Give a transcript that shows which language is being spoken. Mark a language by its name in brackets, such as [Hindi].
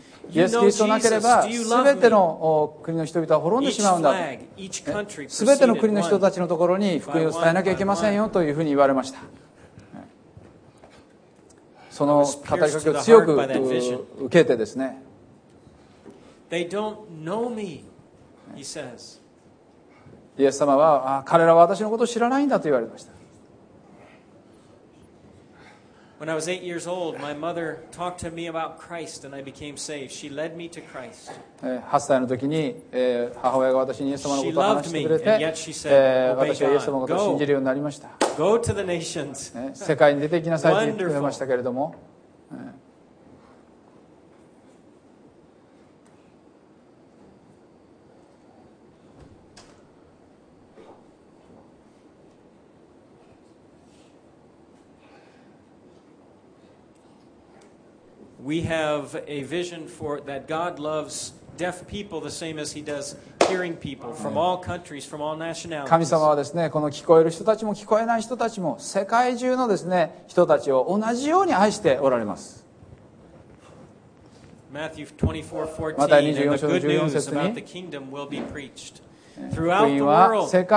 [Japanese] イエス・キリストなければ、すべての国の人々は滅んでしまうんだと。すべての国の人たちのところに福音を伝えなきゃいけませんよというふうに言われました。その語りかけを強く受けてですね。 [English] They don't know me, he says. [Japanese] イエス様は、彼らは私のことを知らないんだと言われました。 [English] When I was 8 years old, my mother talked to me about Christ and I became saved. She led me to Christ. [Japanese] 8歳の時に、母親が私にイエス様のことを話してくれて、私はイエス様のことを信じるようになりました。 [English] Go to the nations. [Japanese] 世界に出て行きなさいと言ってくれましたけれども。 [English] We have a vision for that God loves deaf people the same as He does hearing people from all countries, from all nationalities. [Japanese] 神様はですね、この聞こえる人たちも聞こえない人たちも世界中のですね人たちを同じように愛しておられます。 [English] Matthew 24:14, the good news about the kingdom will be preached throughout the world.